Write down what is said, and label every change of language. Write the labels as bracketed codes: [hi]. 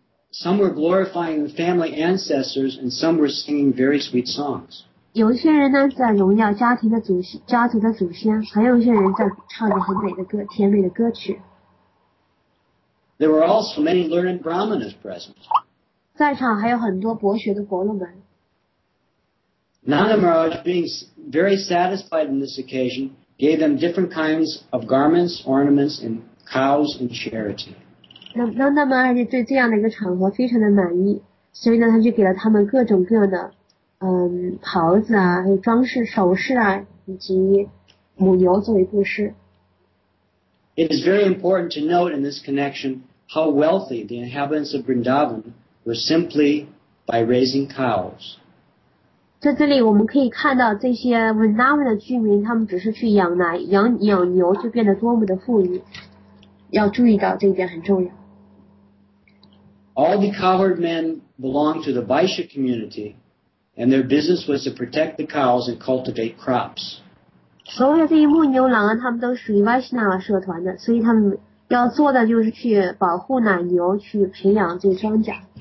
[en] Some were glorifying the family ancestors, and some were singing very sweet songs. [zh] 有一些人呢在荣耀家族的祖先，还有一些人在唱着很美的歌，甜美的歌曲。 [en] There were also many learned brahmanas present. [zh] 在场还有很多博学的伯乐们。 [en] Nanda Maharaj, being very satisfied on this occasion, gave them different kinds of garments, ornaments, and cows and charity. [zh] Nanda Maharaj 对这样的一个场合非常的满意，所以呢，他就给了他们各种各样的袍子啊，还有装饰首饰啊，以及母牛作为布施。 [en] It is very important to note in this connection how wealthy the inhabitants of Vrindavan. Were simply by raising cows. [zh] 在这里我们可以看到这些 Vrindavan 的居民，他们只是去养奶、养牛，就变得多么的富裕。要注意到这一点很重要。 [en] All the cowherd men belonged to the Vaishya community, and their business was to protect the cows and cultivate crops. [zh] 所有这些牧牛郎，他们都属于 Vaishnava 社团的，所以他们要做的就是去保护奶牛，去培养这些庄稼。